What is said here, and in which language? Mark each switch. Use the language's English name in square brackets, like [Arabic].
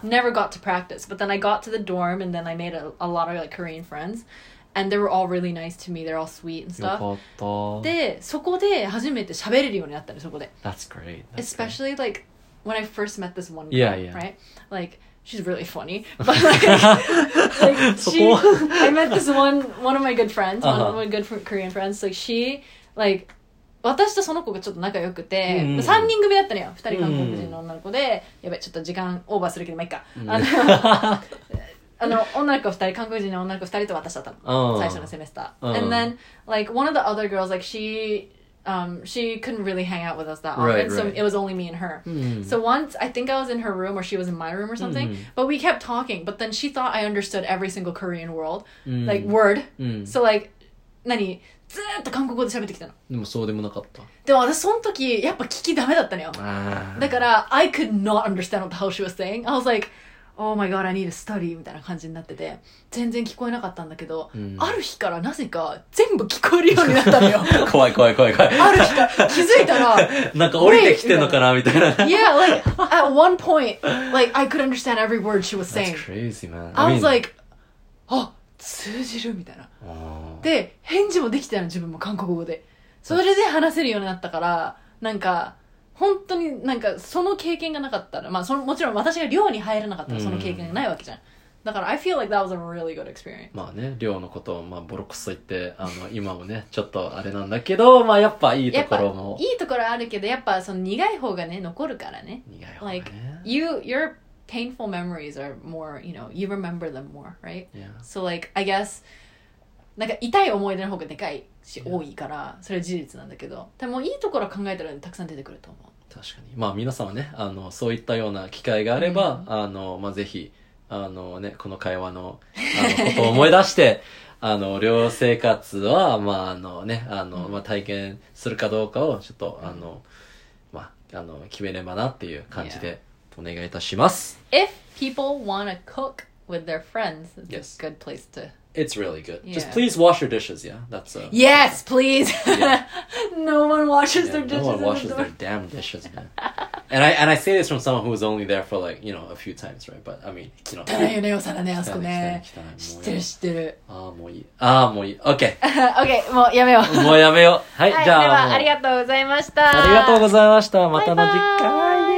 [English] never got to practice but then I got to the dorm and then I made a lot of like Korean friends and they were all really nice to me, they're all sweet and stuff [Japanese] よかった。でそこで初めて喋れるようになったの、そこで。 [English] That's great. That's especially great. Like when I first met this one girl, yeah, yeah. right likeShe's really funny, but like I met this one of my good friends, one of my good Korean friends. Like she, like [Japanese] 私とその子がちょっと仲良くて、mm. 3人組だったのよ、2人韓国人の女の子で、やばいちょっと時間オーバーするけど、まあいいか、女の子2人、韓国人の女の子2人と私だったの、最初のセメスター。 [English] And then, like, one of the other girls, like, she She couldn't really hang out with us that often, right, so it was only me and her. Mm. So once, I think I was in her room, or she was in my room or something, but we kept talking, but then she thought I understood every single Korean word, like, word. So, like, [Japanese] 何? ずっと韓国語で喋ってきたの。でもそうでもなかった。でも私その時、やっぱ聞きダメだったのよ。だから、 [English] I could not understand what the hell she was saying. I was like, oh my god, I need to study, [Japanese] みたいな感じになってて、全然聞こえなかったんだけど、ある日からなぜか全部聞こえるようになったのよ。怖い怖い怖い怖い。ある日から気づいたら、なんか降りてきてんのかなみたいな。 [English] Yeah, like, at one point, like, I could understand every word she was saying. That's crazy, man. I was like, [Japanese] あ、通じるみたいな。で、返事もできてたの、自分も韓国語で。それで話せるようになったから、なんか、本当になんか、その経験がなかったら、まあその、もちろん私が寮に入らなかったら、その経験がないわけじゃん。だから、 [English] I feel like that was a really good experience. [Japanese] まあね、寮のことを、まあ、ボロクソ言って、あの、今もね、ちょっとあれなんだけど、まあ、やっぱいいところも。いいところあるけど、やっぱ、その苦い方がね、残るからね。苦い方がね。 [English] Like, your painful memories are more, you know, you remember them more, right? Yeah. So, like, I guess... [Japanese] なんか痛い思い出の方がでかいし多いから、それは事実なんだけど、でもいいところ考えたらたくさん出てくると思う。確かに、まあ皆さんはね、あのそういったような機会があれば、あのまあぜひあのねこの会話 の, あのことを思い出して、あの寮生活はまああのねあの、まあ、体験するかどうかをちょっとあのまああの決めればなっていう感じでお願いいたします。 [English] If people want to cook with their friends, it's a good place to. It's really good. Yeah. Just please wash your dishes, yeah? That's a... Yes, please! No one washes their dishes. No one washes their damn dishes, man. And I say this from someone who was only there for like, you know, a few times, right? But I mean, you know... [Japanese] 汚いよね、おさらね、あそこね。知ってる、知ってる。ああ、もういい。ああ、もういい。OK! OK, もうやめよう。もうやめよう。はい、じゃあ。では、ありがとうございました。ありがとうございました。またの実感。